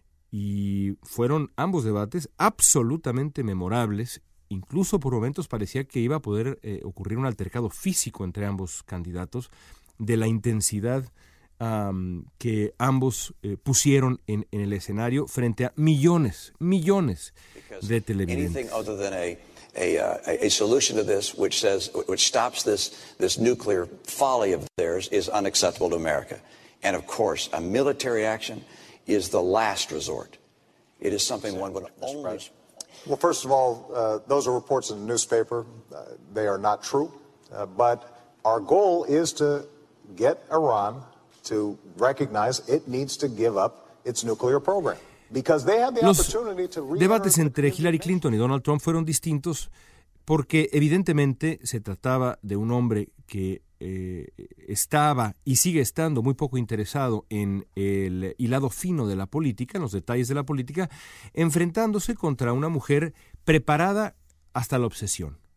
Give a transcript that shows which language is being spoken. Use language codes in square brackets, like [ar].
[es] Y fueron ambos debates absolutamente memorables. Incluso por momentos parecía que iba a poder ocurrir un altercado físico entre ambos candidatos de la intensidad que ambos pusieron en el escenario frente a millones de televidentes. [en] Anything other than a solution to this which says which stops this nuclear folly of theirs is unacceptable to America. And of course, a military action is the last resort. It is something one would only. Well, first of all, those are reports in the newspaper. They are not true. But our goal is to get Iran to recognize it needs to give up its nuclear program. Because they have the opportunity to. [es] Los debates entre Hillary Clinton y Donald Trump fueron distintos porque evidentemente se trataba de un hombre que estaba y sigue estando muy poco interesado en el hilado fino de la política, en los detalles de la política, enfrentándose contra una mujer preparada hasta la obsesión.